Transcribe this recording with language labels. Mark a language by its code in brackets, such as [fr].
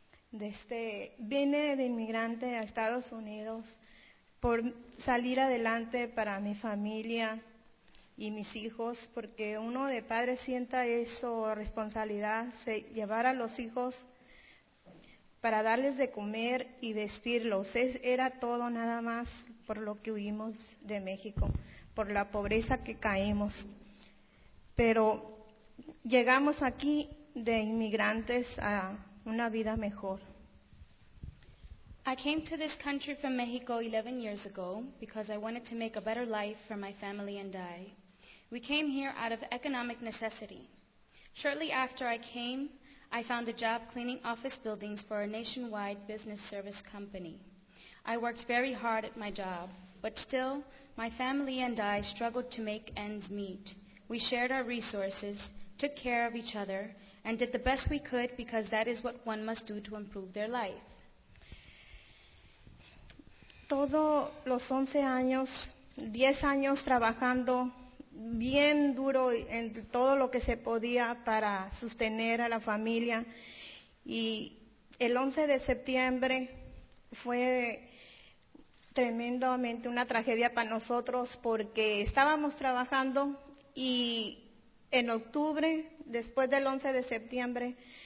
[es] Vine de inmigrante a Estados Unidos por salir adelante para mi familia y mis hijos, porque uno de padre sienta eso responsabilidad, llevar a los hijos para darles de comer y vestirlos. Era todo nada más por lo que huimos de México, por la pobreza que caímos. Pero llegamos aquí de inmigrantes a una vida mejor. [en] I came to this country from Mexico 11 years ago because I wanted to make a better life for my family and I. We came here out of economic necessity. Shortly after I came, I found a job cleaning office buildings for a nationwide business service company. I worked very hard at my job, but still, my family and I struggled to make ends meet. We shared our resources, took care of each other, and did the best we could because that is what one must do to improve their life. [es] Todos los 11 años, 10 años trabajando bien duro en todo lo que se podía para sostener a la familia. Y el 11 de septiembre fue tremendamente una tragedia para nosotros porque estábamos trabajando y en octubre, después del 11 de septiembre,